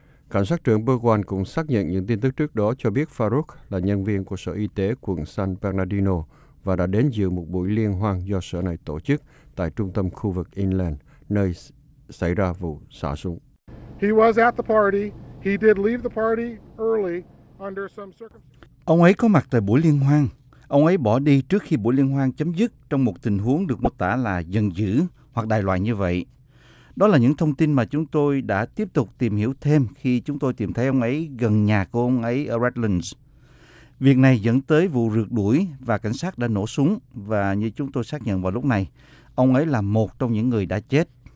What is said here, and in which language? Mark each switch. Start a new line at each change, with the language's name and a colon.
Vietnamese: Cảnh sát trưởng Burgwan cũng xác nhận những tin tức trước đó cho biết Farouk là nhân viên của Sở Y tế quận San Bernardino và đã đến dự một buổi liên hoan do sở này tổ chức tại trung tâm khu vực Inland, nơi xảy ra vụ xả súng.
English: He was at the party. He did leave the party early under some circumstances.
Vietnamese: Ông ấy có mặt tại buổi liên hoan. Ông ấy bỏ đi trước khi buổi liên hoan chấm dứt trong một tình huống được mô tả là giận dữ hoặc đại loại như vậy. Đó là những thông tin mà chúng tôi đã tiếp tục tìm hiểu thêm khi chúng tôi tìm thấy ông ấy gần nhà của ông ấy ở Redlands. Việc này dẫn tới vụ rượt đuổi và cảnh sát đã nổ súng và như chúng tôi xác nhận vào lúc này, ông ấy là một trong những người đã chết.